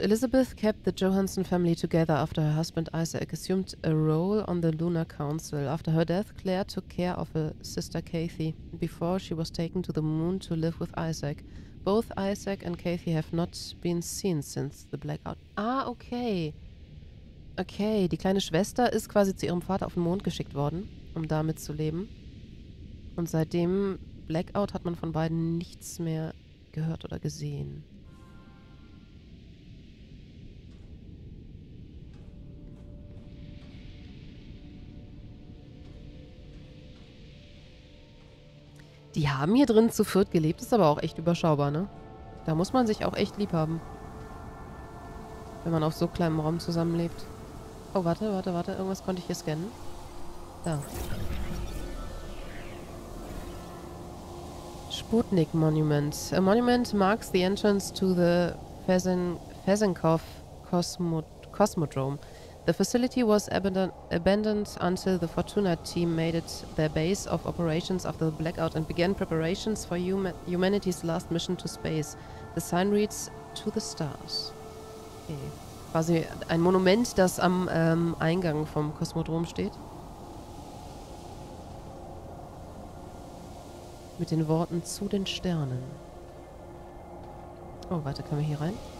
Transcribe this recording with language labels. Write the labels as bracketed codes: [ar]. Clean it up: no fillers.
[en] Elizabeth kept the Johansson family together after her husband Isaac assumed a role on the Lunar Council. After her death, Claire took care of her sister Kathy before she was taken to the moon to live with Isaac. Both Isaac and Kathy have not been seen since the blackout. Ah, okay. [de] Okay, die kleine Schwester ist quasi zu ihrem Vater auf den Mond geschickt worden, um damit zu leben. Und seit dem Blackout hat man von beiden nichts mehr gehört oder gesehen. Die haben hier drin zu viert gelebt, ist aber auch echt überschaubar, ne? Da muss man sich auch echt lieb haben, wenn man auf so kleinem Raum zusammenlebt. Oh, warte, warte, warte. Irgendwas konnte ich hier scannen. Da. [en] Sputnik Monument. A monument marks the entrance to the Fezenkov Cosmodrome. The facility was abandoned until the Fortuna team made it their base of operations after the blackout and began preparations for humanity's last mission to space. The sign reads, to the stars. Okay. [de] Quasi ein Monument, das am Eingang vom Kosmodrom steht. Mit den Worten zu den Sternen. Oh, warte, können wir hier rein?